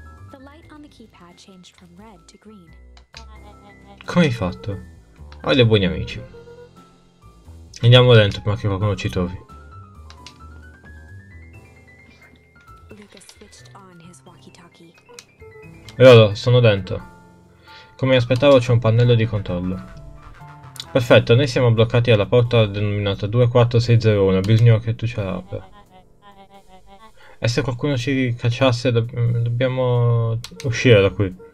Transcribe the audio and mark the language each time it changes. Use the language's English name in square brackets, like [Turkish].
[English] The light on the keypad changed from red to green. [Italian] Come hai fatto? Ho dei buoni amici. Andiamo dentro prima che qualcuno ci trovi. [English] Luca switched on his walkie-talkie. [Italian] Lolo, sono dentro. Come aspettavo c'è un pannello di controllo. Perfetto, noi siamo bloccati alla porta denominata 24601. Bisogna che tu ce l'apri. E se qualcuno ci cacciasse, dobbiamo uscire da qui.